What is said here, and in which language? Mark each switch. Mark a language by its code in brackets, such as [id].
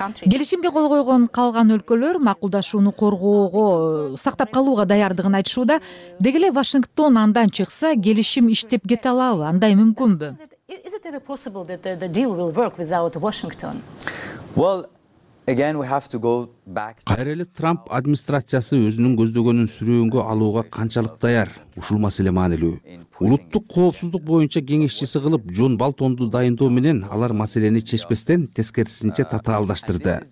[ky] Келишимге кол койгон калган өлкөлөр макулдашууну коргоого, сактап калууга даярдыгын айтышууда. Деги эле Вашингтон андан чыкса, келишим иштеп кете алабы? Андай мүмкүнбү? [en] Is it possible that the deal will work without Washington? [ky] Кайра эле Трамп администрациясы өзүнүн көздөгөнүн сүрөөнгө алууга канчалык даяр? Ушул маселе маанилүү. Улуттук коопсуздук боюнча кеңешчиси кылып Джон Болтонду дайындоо менен алар маселени чечпестен тескерисинче татаалдаштырды.